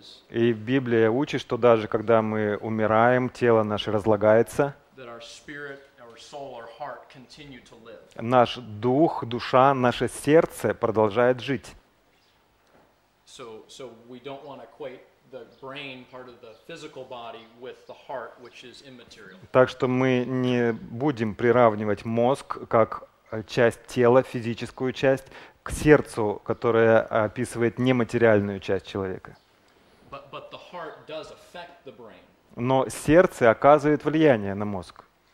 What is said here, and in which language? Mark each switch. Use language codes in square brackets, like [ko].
[ru] И Библия учит, что даже когда мы умираем, тело наше разлагается. [en] That our spirit, soul or heart continue to live. [ru] Наш дух, душа, наше сердце продолжает жить. [en] So we don't want to equate the brain part of the physical body with the heart, which is immaterial. [ru] Так что мы не будем приравнивать мозг как часть тела, физическую часть, к сердцу, которое описывает нематериальную часть человека. [en] But the heart does affect the brain. [ru] Но сердце оказывает влияние на мозг.